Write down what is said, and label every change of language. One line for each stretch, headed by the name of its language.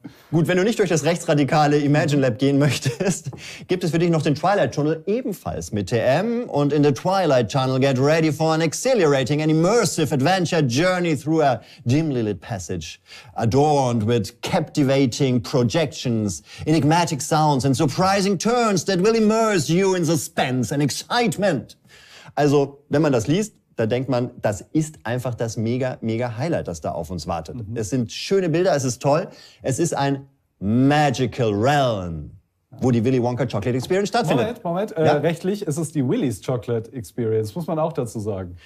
German: Gut, wenn du nicht durch das rechtsradikale Imagine Lab gehen möchtest, gibt es für dich noch den Twilight Tunnel, ebenfalls mit TM.
English: Und in the Twilight Tunnel, get ready for an exhilarating and immersive adventure journey through a dimly lit passage, adorned with captivating projections, enigmatic sounds and surprising turns that will immerse you in suspense and excitement.
German: Also, wenn man das liest, da denkt man, das ist einfach das mega, mega Highlight, das da auf uns wartet. Mhm. Es sind schöne Bilder, es ist toll. Es ist ein Magical Realm, wo die Willy Wonka Chocolate Experience stattfindet. Moment. Ja? Rechtlich ist es die Willy's Chocolate Experience, muss man auch dazu sagen.